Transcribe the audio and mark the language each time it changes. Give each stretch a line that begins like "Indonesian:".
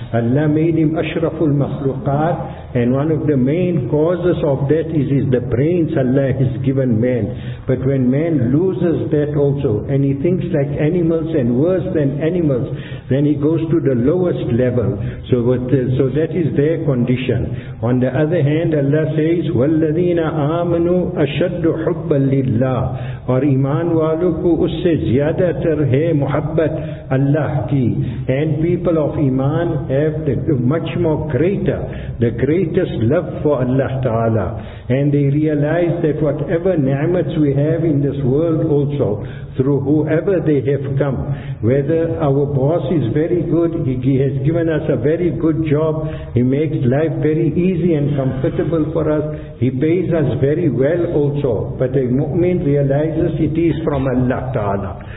English: Allah made him ashraful makhluqat, and one of the main causes of that is the brains Allah has given man. But when man loses that also, and he thinks like animals and worse than animals, then he goes to the lowest level. So that is their condition. On the other hand, Allah says,
Arabic: وَالَّذِينَ آمَنُوا أَشَدُّ حُبَّا لِلَّهِ,
Urdu: اور ایمان والوں کو اس سے زیادہ تر ہے محبت اللہ کی.
English: And people of iman have the much more greater, the greatest love for Allah Ta'ala. And they realize that whatever ni'mats we have in this world also, through whoever they have come, whether our boss is very good, he has given us a very good job, he makes life very easy and comfortable for us, he pays us very well also, but a mu'min realizes it is from Allah Ta'ala.